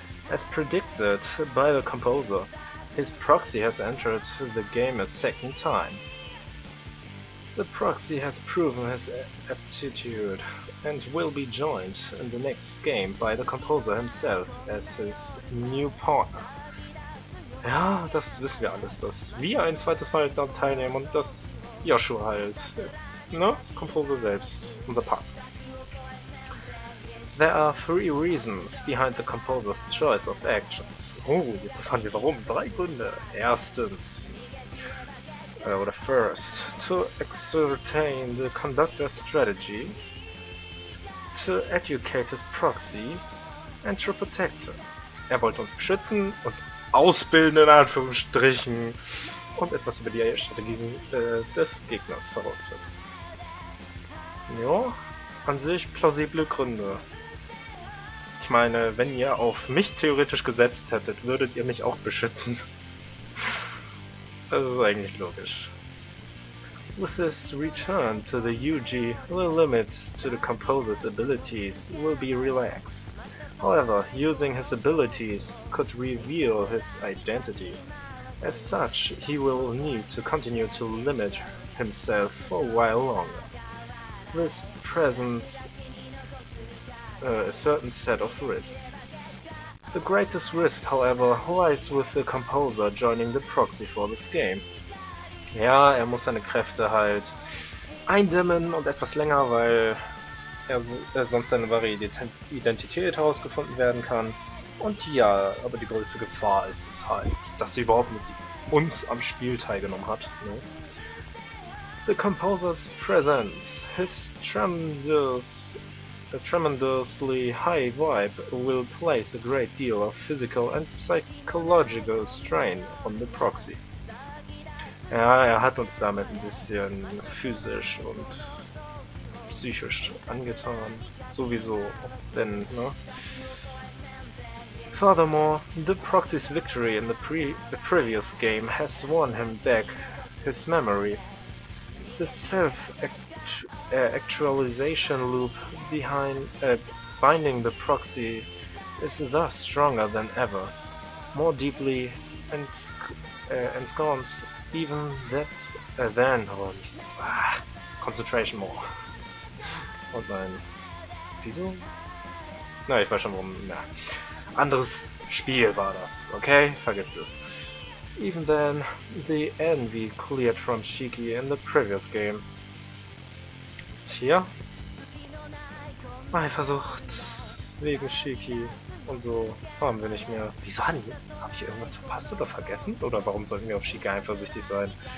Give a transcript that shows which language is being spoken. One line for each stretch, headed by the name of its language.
English: As predicted by the composer, his proxy has entered the game a second time. The proxy has proven his aptitude and will be joined in the next game by the composer himself as his new partner.
German: Ja, das wissen wir alles, dass wir ein zweites Mal da teilnehmen und dass Joshua halt, ne, Composer selbst, unser Partner ist.
English: There are 3 reasons behind the composer's choice of actions.
German: Oh, jetzt erfahren wir warum. 3 Gründe. Erstens. Oder first.
English: To ascertain the conductor's strategy. To educate his proxy. And to protect him.
German: Er wollte uns beschützen, uns ausbilden in Anführungsstrichen. Und etwas über die Strategie des Gegners herausfinden. Ja, an sich plausible Gründe. Ich meine, wenn ihr auf mich theoretisch gesetzt hättet, würdet ihr mich auch beschützen. Das ist eigentlich logisch.
English: With this return to the UG, the limits to the composer's abilities will be relaxed. However, using his abilities could reveal his identity. As such, he will need to continue to limit himself for a while longer. This presents a certain set of risks. The greatest risk, however, lies with the composer joining the proxy for this game.
German: Ja, er muss seine Kräfte halt eindämmen und etwas länger, weil er sonst seine wahre Identität herausgefunden werden kann. Und ja, aber die größte Gefahr ist es halt, dass sie überhaupt mit uns am Spiel teilgenommen hat. Ne?
English: The composer's presence, his tremendously high vibe will place a great deal of physical and psychological strain on the proxy.
German: Ja, er hat uns damit ein bisschen physisch und psychisch angetan, sowieso, denn, ne?
English: Furthermore, the proxy's victory in the previous game has won him back his memory. The self-actualization loop behind binding the proxy is thus stronger than ever, more deeply ensconced even that then und concentration more.
German: Und nein, wieso? Na, ich weiß schon warum. Na, anderes Spiel war das, okay? Vergiss das.
English: Even then, the envy cleared from Shiki in the previous game.
German: Tja. Eifersucht wegen Shiki und so haben wir nicht mehr. Wieso? Habe ich irgendwas verpasst oder vergessen? Oder warum sollten wir auf Shiki eifersüchtig sein?